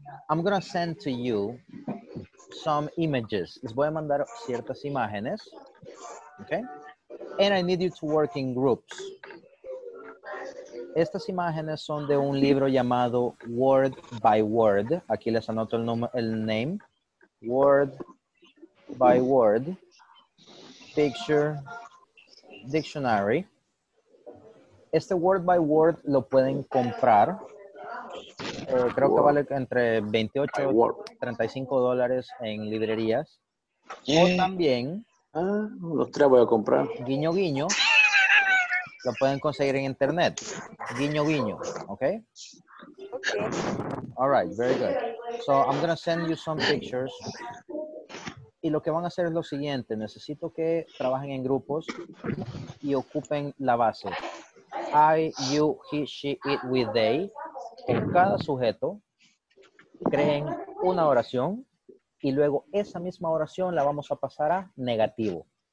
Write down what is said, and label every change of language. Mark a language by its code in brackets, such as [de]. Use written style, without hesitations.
[en] I'm going to send to you some images. [es] Les voy a mandar ciertas imágenes. Okay? [en] And I need you to work in groups. [es] Estas imágenes son de un libro llamado Word by Word. Aquí les anoto el name. Word by Word. Picture Dictionary. Este Word by Word lo pueden comprar. Creo que vale entre $28 to $35 en librerías. O también... los tres voy a comprar. Guiño, guiño. Lo pueden conseguir en internet. Guiño, guiño. Okay? [en] Okay. All right. Very good. So, I'm going to send you some pictures. [es] Y lo que van a hacer es lo siguiente. Necesito que trabajen en grupos y ocupen la base. [en] I, you, he, she, it, we, they. [es] Con cada sujeto, creen una oración y luego esa misma oración la vamos a pasar a negativo.